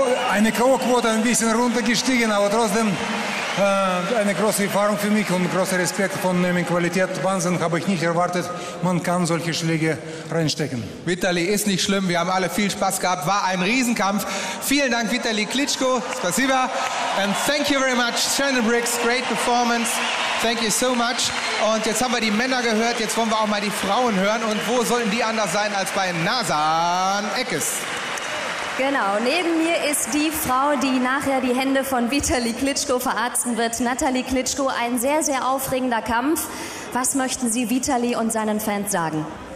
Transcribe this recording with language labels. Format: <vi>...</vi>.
<de>Eine K.O.-Quote ein bisschen runtergestiegen, aber trotzdem eine große Erfahrung für mich und großer Respekt von Nehmen Qualität. Wahnsinn, habe ich nicht erwartet. Man kann solche Schläge reinstecken. Vitali, ist nicht schlimm. Wir haben alle viel Spaß gehabt. War ein Riesenkampf. Vielen Dank, Vitali Klitschko. Spasiba.</de> <en>And thank you very much, Shannon Briggs. Great performance. Thank you so much.</en> <de>Und jetzt haben wir die Männer gehört. Jetzt wollen wir auch mal die Frauen hören. Und wo sollen die anders sein als bei Nazan Ekes? Genau, neben mir ist die Frau, die nachher die Hände von Vitali Klitschko verarzten wird. Natalie Klitschko, ein sehr, sehr aufregender Kampf. Was möchten Sie Vitali und seinen Fans sagen?</de>